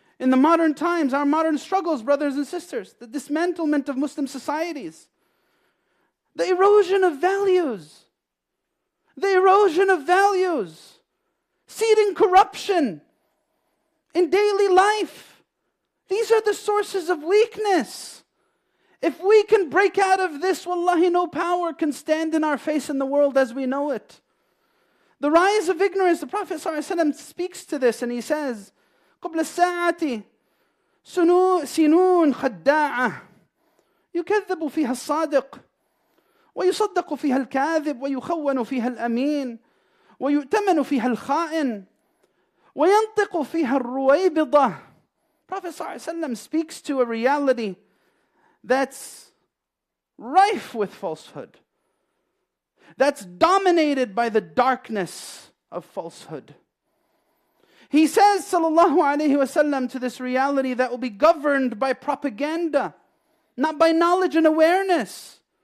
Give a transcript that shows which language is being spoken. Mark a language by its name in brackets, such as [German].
[English] In the modern times, our modern struggles, brothers and sisters, the dismantlement of Muslim societies, the erosion of values, seeding corruption in daily life. These are the sources of weakness. If we can break out of this, wallahi, no power can stand in our face in the world as we know it. The rise of ignorance, the Prophet ﷺ speaks to this and he says, [Arabic] قبل الساعة سنون خداعة يكذب فيها الصادق ويصدق فيها الكاذب ويخون فيها الأمين ويؤتمن فيها الخائن وينطق فيها الرويبضة. [English] Prophet ﷺ speaks to a reality that's rife with falsehood, that's dominated by the darkness of falsehood. He says, sallallahu alayhi wa sallam, to this reality that will be governed by propaganda, not by knowledge and awareness.